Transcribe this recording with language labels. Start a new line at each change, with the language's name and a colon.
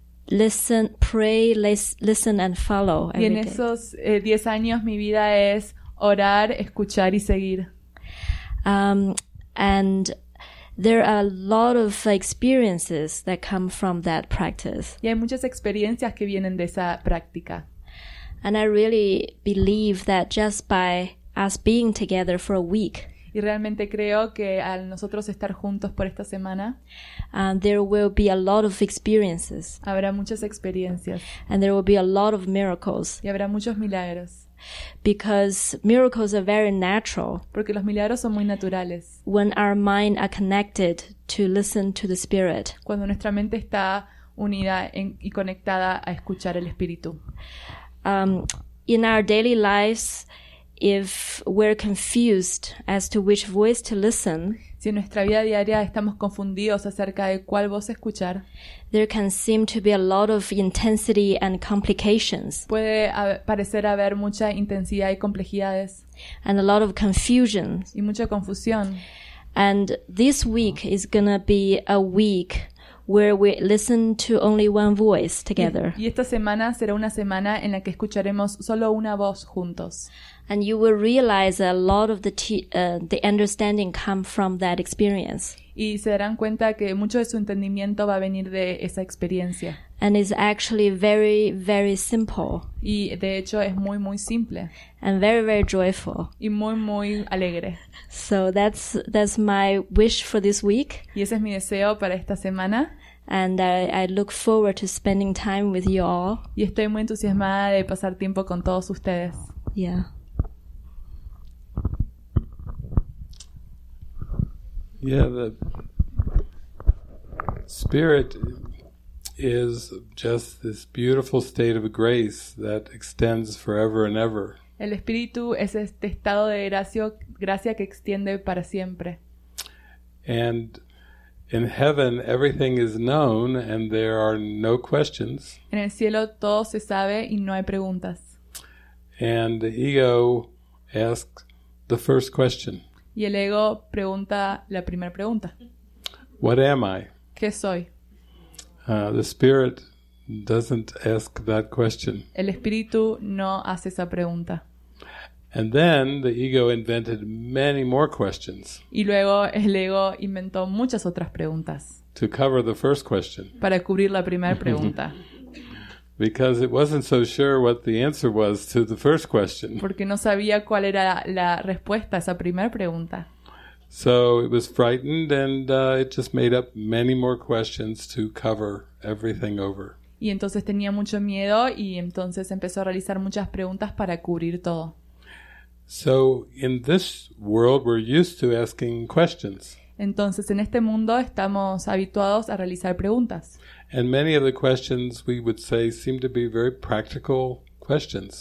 English: listen, pray, listen and follow every day.
Spanish: Y en esos 10 años mi vida es orar, escuchar y seguir.
English: And there are a lot of experiences that come from that practice.
Spanish: Y hay muchas experiencias que vienen de esa práctica.
English: And I really believe that just by us being together for a week,
Spanish: y realmente creo que al nosotros estar juntos por esta semana,
English: there will be a lot of experiences.
Spanish: Habrá muchas experiencias.
English: And there will be a lot of miracles.
Spanish: Y habrá muchos milagros.
English: Because miracles are very natural.
Spanish: Porque los milagros son muy naturales.
English: When our mind are connected to listen to the Spirit.
Spanish: Cuando nuestra mente está unida y conectada a escuchar el Espíritu.
English: In our daily lives, if we're confused as to which voice to listen,
Spanish: si en nuestra vida diaria estamos confundidos acerca de cuál voz escuchar,
English: there can seem to be a lot of intensity and complications.
Spanish: Puede parecer haber mucha intensidad y complejidades.
English: And a lot of confusion.
Spanish: Y mucha confusión.
English: And this week is gonna be a week where we listen to only one voice together.
Spanish: Y esta semana será una semana en la que escucharemos solo una voz juntos.
English: And you will realize a lot of the understanding come from that experience.
Spanish: Y se darán cuenta que mucho de su entendimiento va a venir de esa experiencia.
English: And it's actually very, very simple.
Spanish: Y de hecho es muy, muy simple.
English: And very, very joyful.
Spanish: Y muy, muy alegre.
English: So that's my wish for this week.
Spanish: Y ese es mi deseo para esta semana.
English: And I look forward to spending time with you all.
Spanish: Y estoy muy entusiasmada de pasar tiempo con todos ustedes.
English: Yeah. Yeah, the Spirit is just this beautiful state of grace that extends forever and ever.
Spanish: El Espíritu es este estado de gracia que extiende para siempre.
English: And in heaven, everything is known and there are no questions.
Spanish: En el cielo todo se sabe y no hay preguntas.
English: And the ego asks the first question.
Spanish: Y el ego pregunta la primera pregunta.
English: What am I?
Spanish: ¿Qué soy?
English: The Spirit doesn't ask that question.
Spanish: El Espíritu no hace esa pregunta.
English: And then the ego invented many more questions.
Spanish: Y luego el ego inventó muchas otras preguntas.
English: To cover the first question.
Spanish: Para cubrir la primera pregunta.
English: Because it wasn't so sure what the answer was to the first question.
Spanish: Porque no sabía cuál era la respuesta a esa primera pregunta.
English: So it was frightened and it just made up many more questions to cover everything over.
Spanish: Y entonces tenía mucho miedo y entonces empezó a realizar muchas preguntas para cubrir todo.
English: So in this world we're used to asking questions.
Spanish: Entonces en este mundo estamos habituados a realizar preguntas.
English: And many of the questions we would say seem to be very practical questions.